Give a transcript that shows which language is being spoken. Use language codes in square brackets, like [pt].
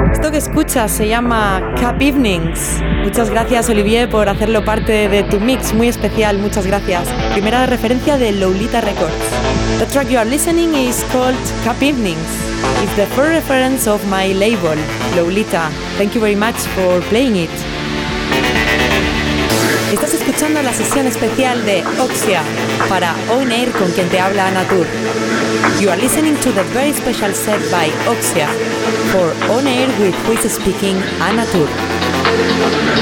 [es] que escuchas se llama Cup Evenings. Muchas gracias, Olivier, por hacerlo parte de tu mix muy especial. Muchas gracias. Primera referencia de Lolita Records. [en] The track you are listening is called Cup Evenings. It's the first reference of my label, Lolita. Thank you very much for playing it. [es] Estás escuchando la sesión especial de Oxia para On Air con quien te habla Ana Tur. [en] You are listening to the very special set by Oxia for On Air with who is speaking Ana Tur.